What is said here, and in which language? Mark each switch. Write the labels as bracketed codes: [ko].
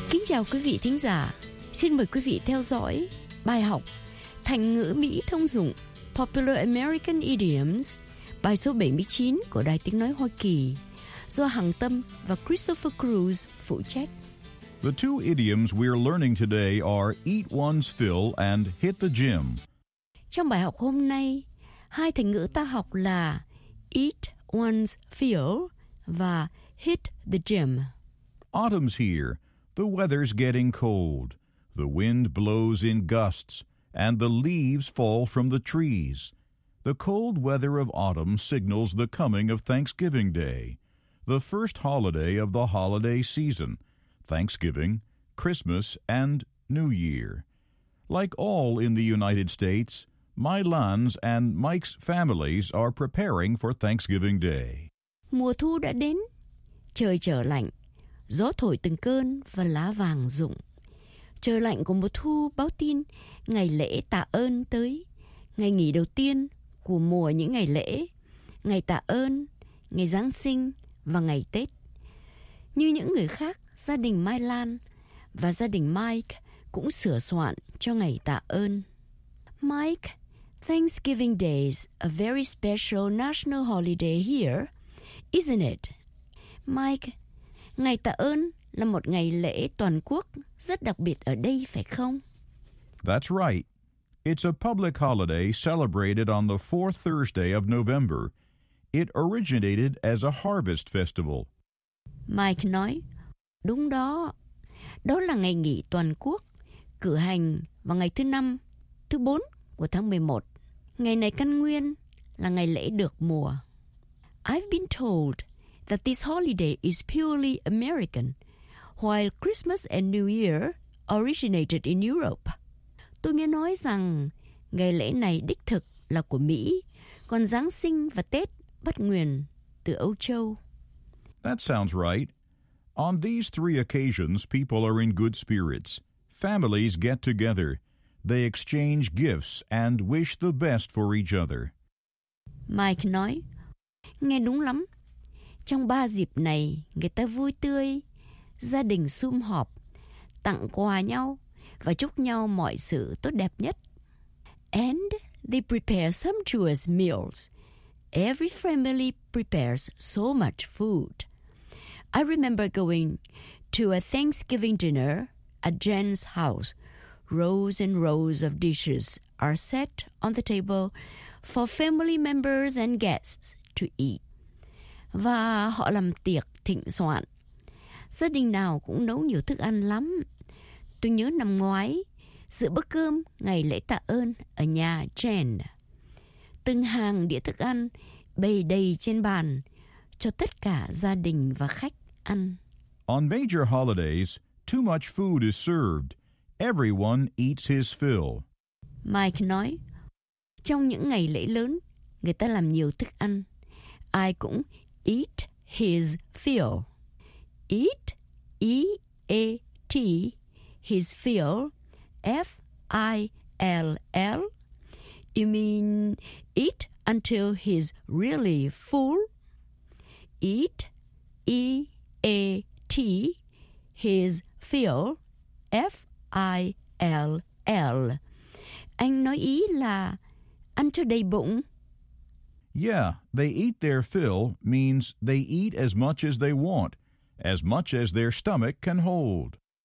[vi] Chào quý vị thính giả, xin mời quý vị theo dõi bài học Thành ngữ Mỹ thông dụng Popular American Idioms, bài số 79 của Đài Tiếng Nói Hoa Kỳ, do Hằng Tâm và Christopher Cruz phụ trách. [en] The two idioms we are learning today are eat one's fill and hit the gym. [vi] Trong bài học hôm nay, hai thành ngữ ta học là eat one's fill và hit the gym. [en] Autumn's here. The weather's getting cold. The wind blows in gusts, and the leaves fall from the trees. The cold weather of autumn signals the coming of Thanksgiving Day, the first holiday of the holiday season, Thanksgiving, Christmas, and New Year. Like all in the United States, my Lan's and Mike's families are preparing for Thanksgiving Day. [vi] Mùa thu đã đến, trời trở lạnh. Gió thổi từng cơn và lá vàng rụng. Trời lạnh của mùa thu báo tin ngày lễ tạ ơn tới, ngày nghỉ đầu tiên của mùa những ngày lễ, ngày tạ ơn, ngày Giáng sinh và ngày Tết. Như những người khác, gia đình Mai Lan và gia đình Mike cũng sửa soạn cho ngày tạ ơn. [en] Mike, Thanksgiving Day is a very special national holiday here, isn't it? [vi] Mike, ngày tạ ơn là một ngày lễ toàn quốc rất đặc biệt ở đây, phải không? [en] That's right. It's a public holiday celebrated on the fourth Thursday of November. It originated as a harvest festival. [vi] Mike nói, đúng đó. Đó là ngày nghỉ toàn quốc, cử hành vào ngày thứ năm, thứ bốn của tháng 11. Ngày này căn nguyên là ngày lễ được mùa. [en] I've been told that this holiday is purely American, while Christmas and New Year originated in Europe. [vi] Tôi nghe nói rằng ngày lễ này đích thực là của Mỹ, còn Giáng sinh và Tết bắt nguồn từ Âu Châu. [en] That sounds right. On these three occasions, people are in good spirits. Families get together. They exchange gifts and wish the best for each other. [vi] Mike nói, nghe đúng lắm. Trong ba dịp này, người ta vui tươi, gia đình sum họp, tặng quà nhau và chúc nhau mọi sự tốt đẹp nhất. [en] And they prepare sumptuous meals. Every family prepares so much food. I remember going to a Thanksgiving dinner at Jen's house. Rows and rows of dishes are set on the table for family members and guests to eat. [vi] Và họ làm tiệc thịnh soạn. Gia đình nào cũng nấu nhiều thức ăn lắm. Tôi nhớ năm ngoái, dự bữa cơm ngày lễ tạ ơn ở nhà Jen. Từng hàng đĩa thức ăn bày đầy trên bàn cho tất cả gia đình và khách. [en] On major holidays, too much food is served. Everyone eats his fill. [vi] Mike nói, trong những ngày lễ lớn, người ta làm nhiều thức ăn. Ai cũng [en] eat his fill. Eat, E-A-T, his fill, F-I-L-L. You mean eat until he's really full? Eat, E. A T his fill F I L L. [vi] Anh nói ý là ăn cho đầy bụng. [en] Yeah, they eat their fill means they eat as much as they want, as much as their stomach can hold.